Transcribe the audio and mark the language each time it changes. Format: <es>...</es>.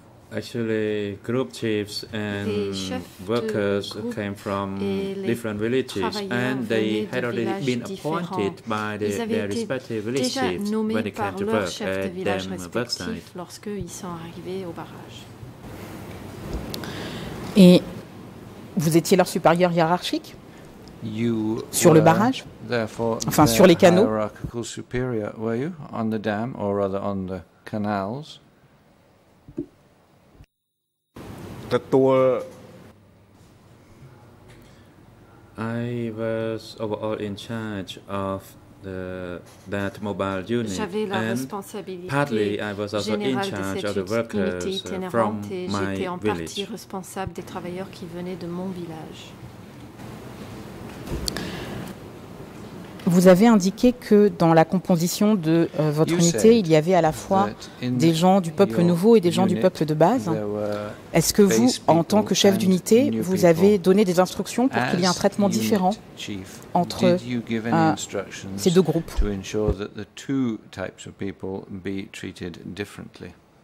<en>Actually, group chiefs and workers came from different villages, and they had already been appointed by their respective village chiefs when they came to work at the work site.</en> <fr>Lorsqu'ils sont arrivés au barrage. Et vous étiez leur supérieur hiérarchique sur le barrage, enfin sur les canaux.</fr> <en>Hierarchical superior, were you on the dam, or rather on the canals? I was overall in charge of that mobile unit.</en> <fr>J'avais la</fr> <en>and</en> <fr>responsabilité</fr> <en>partly I was also in charge of the workers from my village.</en> <fr>J'étais en partie responsable des travailleurs qui venaient de mon village. Vous avez indiqué que dans la composition de votre unité, il y avait à la fois des gens du peuple nouveau et des gens du peuple de base. Est-ce que vous, en tant que chef d'unité, vous avez donné des instructions pour qu'il y ait un traitement différent entre ces deux groupes?</fr> <en>To ensure that the two types of people be treated differently.</en>